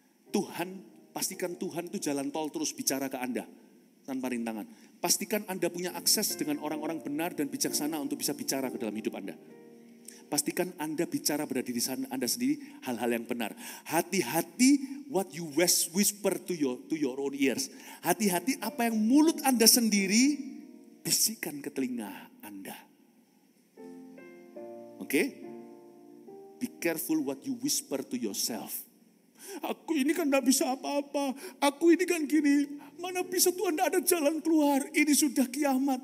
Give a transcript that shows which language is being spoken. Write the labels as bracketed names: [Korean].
[Indonesian] Tuhan, pastikan Tuhan itu jalan tol terus bicara ke Anda. Tanpa rintangan. Pastikan Anda punya akses dengan orang-orang benar dan bijaksana untuk bisa bicara ke dalam hidup Anda. Pastikan Anda bicara pada diri Anda sendiri hal-hal yang benar. Hati-hati [English] what you whisper to your own ears. [Indonesian] Hati-hati apa yang mulut Anda sendiri bisikan ke telinga Anda. [English] Oke? Be careful what you whisper to yourself. [Indonesian] Aku ini kan gak bisa apa-apa. Aku ini kan gini. Mana bisa Tuhan gak ada jalan keluar. Ini sudah kiamat.